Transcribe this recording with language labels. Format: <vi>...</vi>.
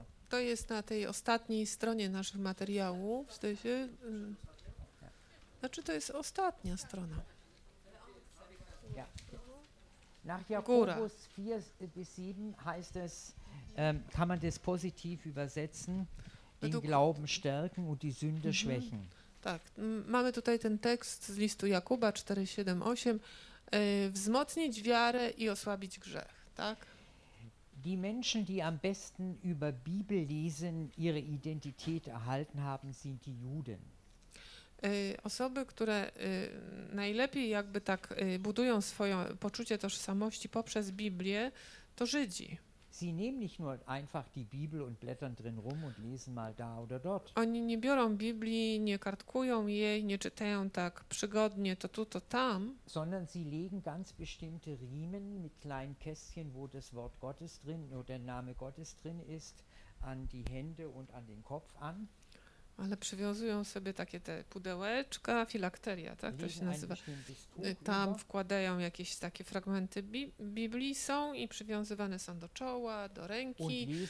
<pl>To jest na tej ostatniej stronie naszych materiałów, zdaje się. Znaczy to jest ostatnia strona.</pl> <de>Nach Jakobus 4-7 heißt es, kann man das positiv übersetzen, den Glauben stärken und die Sünde schwächen.</de> <pl>Tak, mamy tutaj ten tekst z listu Jakuba 4-7-8. Wzmocnić wiarę i osłabić grzech, tak?</pl> <de>Die Menschen, die am besten über Bibel lesen, ihre Identität erhalten haben, sind die Juden.</de> <pl>Osoby, które najlepiej jakby tak budują swoje poczucie tożsamości poprzez Biblię, to Żydzi.</pl> <de>Sie nehmen nicht nur einfach die Bibel und blättern drin rum und lesen mal da oder dort.</de> <pl>Oni nie biorą Biblii, nie kartkują jej, nie czytają tak przygodnie to tu, to tam.</pl> <de>Sondern sie legen ganz bestimmte Riemen mit kleinen Kästchen, wo das Wort Gottes drin oder der Name Gottes drin ist, an die Hände und an den Kopf an.</de> <pl>Ale przywiązują sobie takie te pudełeczka, filakteria, tak to się nazywa. Tam wkładają jakieś takie fragmenty Biblii są i przywiązywane są do czoła, do ręki.</pl>